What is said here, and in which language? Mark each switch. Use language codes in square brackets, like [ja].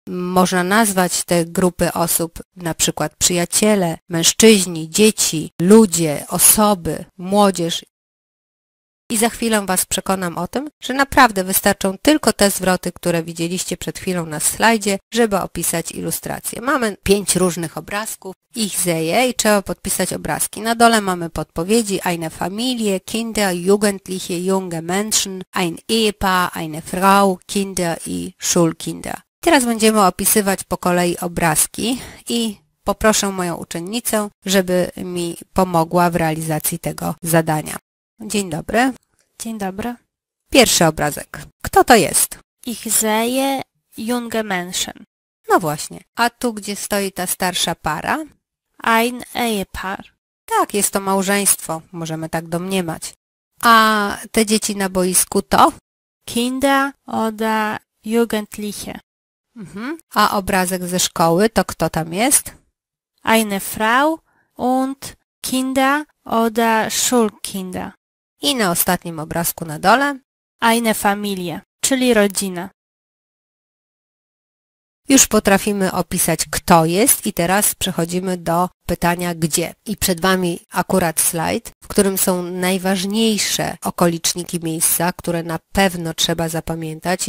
[pl] Można nazwać te grupy osób na przykład przyjaciele, mężczyźni, dzieci, ludzie, osoby, młodzież. I za chwilę Was przekonam o tym, że naprawdę wystarczą tylko te zwroty, które widzieliście przed chwilą na slajdzie, żeby opisać ilustrację. Mamy 5 różnych obrazków, ich zeje i trzeba podpisać obrazki. Na dole mamy podpowiedzi, [de] eine Familie, Kinder, Jugendliche, junge Menschen, ein Ehepaar, eine Frau, Kinder i Schulkinder. [pl] Teraz będziemy opisywać po kolei obrazki i poproszę moją uczennicę, żeby mi pomogła w realizacji tego zadania. Dzień dobry. Dzień dobry. Pierwszy obrazek. Kto to jest? [de] Ich sehe junge Menschen. [pl] No właśnie. A tu gdzie stoi ta starsza para? [de] Ein Ehepaar. [pl] Tak, jest to małżeństwo. Możemy tak domniemać. A te dzieci na boisku to? [de] Kinder oder Jugendliche. [pl] A obrazek ze szkoły to kto tam jest? [de] Eine Frau und Kinder oder Schulkinder. [pl] I na ostatnim obrazku na dole. [de] Eine Familie, [pl] czyli rodzina. Już potrafimy opisać, kto jest i teraz przechodzimy do pytania, gdzie. I przed Wami akurat slajd, w którym są najważniejsze okoliczniki miejsca, które na pewno trzeba zapamiętać.